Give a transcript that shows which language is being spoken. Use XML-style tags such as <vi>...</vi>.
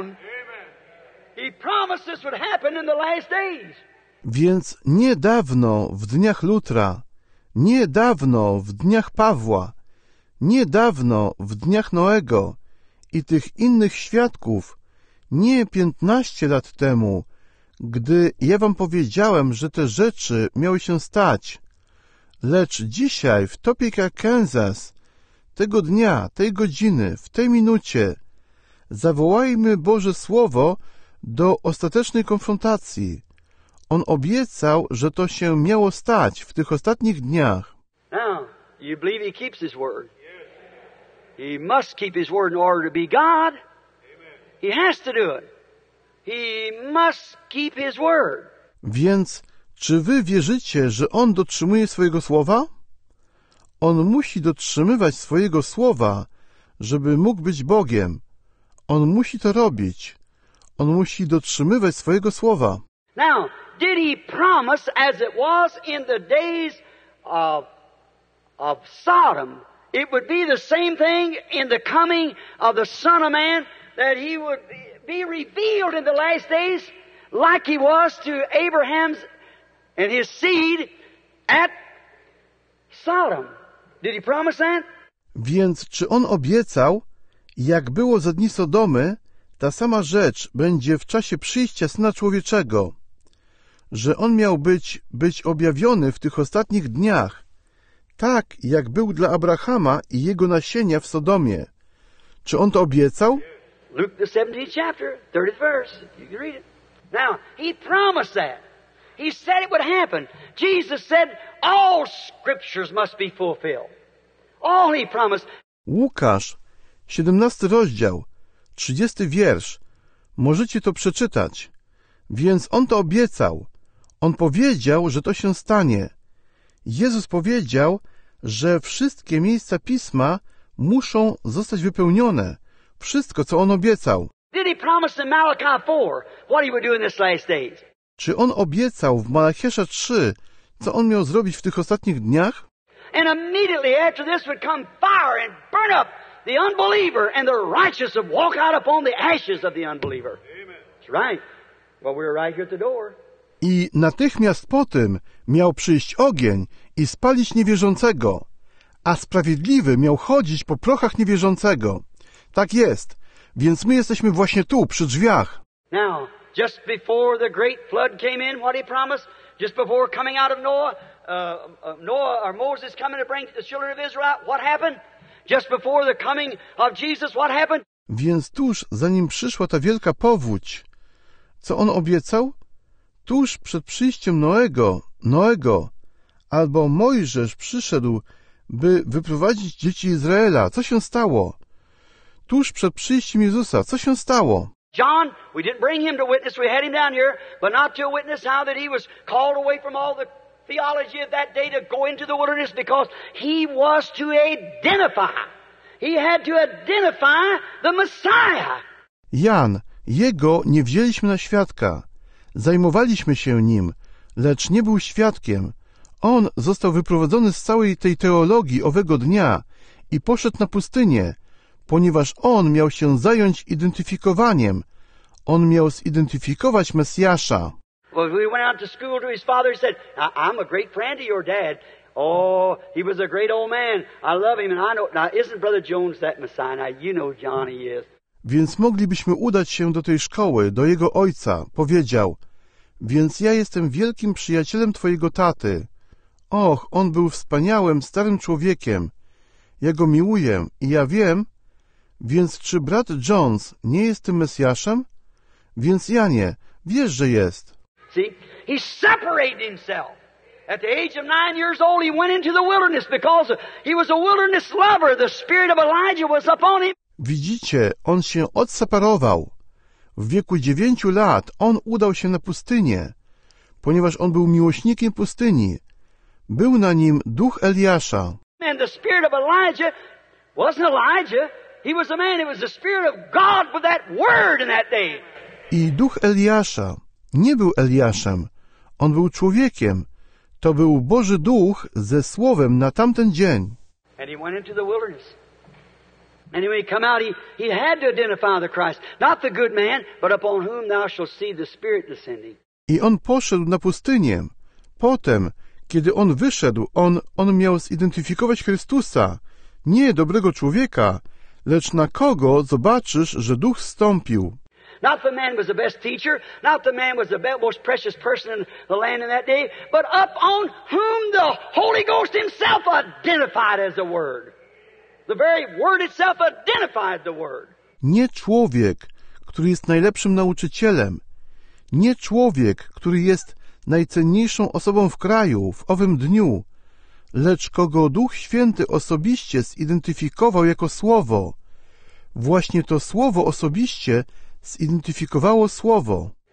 <en>Amen. He promised this would happen in the last days.</en> <pl>Więc niedawno w dniach Lutra, niedawno w dniach Pawła, niedawno w dniach Noego i tych innych świadków, nie 15 lat temu, gdy ja wam powiedziałem, że te rzeczy miały się stać, lecz dzisiaj w Topeka, Kansas, tego dnia, tej godziny, w tej minucie, zawołajmy Boże Słowo do ostatecznej konfrontacji. On obiecał, że to się miało stać w tych ostatnich dniach.</pl> <en>Now, you believe he keeps his word. He must keep his word in order to be God. Amen. He has to do it. He must keep his word.</en> <pl>Więc czy wy wierzycie, że on dotrzymuje swojego słowa? On musi dotrzymywać swojego słowa, żeby mógł być Bogiem. On musi to robić. On musi dotrzymywać swojego słowa.</pl> <en>Now, did he promise as it was in the days of Sodom? It would be the same thing in the coming of the Son of Man, that he would be revealed in the last days like he was to Abraham's and his seed at Sodom. Did he promise that?</en> <pl>Więc czy on obiecał, jak było za dni Sodomy, ta sama rzecz będzie w czasie przyjścia Syna Człowieczego, że on miał być objawiony w tych ostatnich dniach, tak, jak był dla Abrahama i jego nasienia w Sodomie. Czy on to obiecał?</pl> <en>Luke, the 17th chapter, 30th verse. You can read it. Now, he promised that. He said it would happen. Jesus said, all scriptures must be fulfilled. All he promised.</en> <pl>Łukasz, 17 rozdział, 30 wiersz. Możecie to przeczytać. Więc on to obiecał. On powiedział, że to się stanie. Jezus powiedział, że wszystkie miejsca Pisma muszą zostać wypełnione. Wszystko, co on obiecał.</pl> <en>Did he promise in Malachi 4 what he would do in this last days?</en> <pl>Czy on obiecał w Malachiasza 3, co on miał zrobić w tych ostatnich dniach?</pl> <en>And immediately after this would come fire and burn up the unbeliever and the righteous would walk out upon the ashes of the unbeliever. Amen. That's right. Well, we're right here at the door.</en> <pl>I natychmiast po tym miał przyjść ogień i spalić niewierzącego, a sprawiedliwy miał chodzić po prochach niewierzącego. Tak jest, więc my jesteśmy właśnie tu, przy drzwiach.</pl> <en>Now, Just before the great flood came in, what he promised, just before coming out of Noah, Moses coming to bring the children of Israel, what happened? Just before the coming of Jesus, what happened?</en> <pl>Więc tuż, zanim przyszła ta wielka powódź, co on obiecał? Tuż przed przyjściem Noego, albo Mojżesz przyszedł, by wyprowadzić dzieci Izraela. Co się stało? Tuż przed przyjściem Jezusa, co się stało?</pl> <en>John, we didn't bring him to witness, we had him down here, but not to witness how that he was called away from all the theology of that day to go into the wilderness because he was to identify. He had to identify the Messiah.</en> <pl>Jan, jego nie wzięliśmy na świadka. Zajmowaliśmy się nim, lecz nie był świadkiem. On został wyprowadzony z całej tej teologii owego dnia i poszedł na pustynię, ponieważ on miał się zająć identyfikowaniem. On miał zidentyfikować Mesjasza.</pl> <en>Well, we went out to school to his father. He said, I'm a great friend of your dad. Oh, he was a great old man. I love him and I know. Now, isn't Brother Jones that Messiah? Now, you know Johnny is.</en> <pl>Więc moglibyśmy udać się do tej szkoły, do jego ojca. Powiedział, więc ja jestem wielkim przyjacielem twojego taty. Och, on był wspaniałym, starym człowiekiem. Ja go miłuję i ja wiem. Więc czy brat Jones nie jest tym Mesjaszem? Więc Janie, wiesz, że jest.</pl> <en>See, he separated himself. At the age of 9 years old, he went into the wilderness because he was a wilderness lover. The spirit of Elijah was upon him.</en> <pl>Widzicie, on się odseparował. W wieku 9 lat on udał się na pustynię, ponieważ on był miłośnikiem pustyni. Był na nim duch Eliasza.</pl> <en>And the spirit of Elijah wasn't Elijah. He was a man. It was the spirit of God with that word in that day.</en> <pl>I duch Eliasza nie był Eliaszem. On był człowiekiem. To był Boży Duch ze Słowem na tamten dzień.</pl> <en>And he went into the wilderness. And when he came out, he had to identify the Christ, not the good man, but upon whom thou shalt see the Spirit descending.</en> <pl>I on poszedł na pustynię. Potem, kiedy on wyszedł, on miał zidentyfikować Chrystusa, nie dobrego człowieka, lecz na kogo zobaczysz, że Duch zstąpił.</pl> <en>Not the man was the best teacher, not the man was the most precious person in the land in that day, but upon whom the Holy Ghost himself identified as the Word. The very Word itself identified the Word.</en> <pl>Nie człowiek, który jest najlepszym nauczycielem, nie człowiek, który jest najcenniejszą osobą w kraju w owym dniu, lecz kogo Duch Święty osobiście zidentyfikował jako Słowo. Właśnie to Słowo osobiście zidentyfikowało Słowo.</pl>